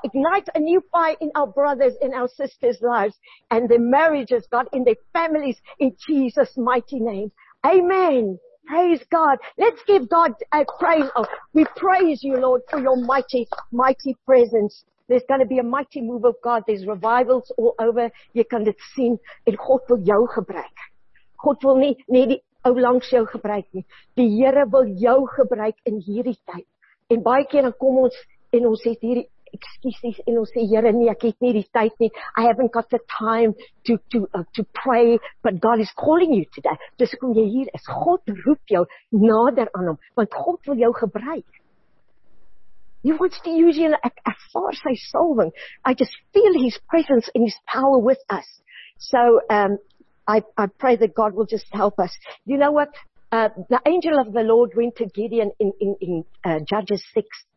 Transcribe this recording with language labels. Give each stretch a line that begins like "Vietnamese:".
English: Ignite a new fire in our brothers, in our sisters' lives, and their marriages, God, in their families, in Jesus' mighty name. Amen. Praise God. Let's give God a praise. Oh, we praise you, Lord, for your mighty, mighty presence. There's going to be a mighty move of God. There's revivals all over. You can
Afrikaans: dit sien. En God wil jou gebruik. God wil nie die ou langs jou gebruik nie. Die Here wil jou gebruik in hierdie tyd. En baie keer dan kom ons en ons het hierdie excuses en ons sê, Here, nie, ek het nie die tyd nie.
English: I haven't got the time to pray, but God is calling you today.
Afrikaans: Dis hoekom jy hier is. God roep jou nader aan hom, want God wil jou gebruik.
English: He wants to use you,
Afrikaans: ek ervaar sy salving.
English: I just feel his presence and his power with us. So I pray that God will just help us. You know what? The angel of the Lord went to Gideon in Judges 6.